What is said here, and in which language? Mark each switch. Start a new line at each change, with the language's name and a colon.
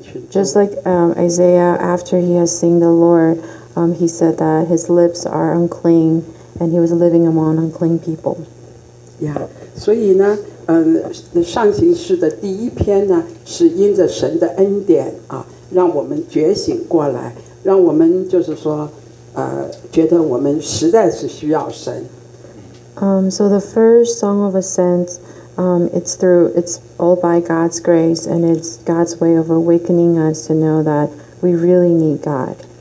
English: Just like Isaiah, after he has seen the Lord, he said that his lips are unclean, and he was living among unclean people.
Chinese: Yeah, 所以呢，上行诗的第一篇呢，是因着神的恩典啊，让我们觉醒过来，让我们就是说，觉得我们实在是需要神。
English: So the first song of ascent, it's all by God's grace, and it's God's way of awakening us to know that we really need God.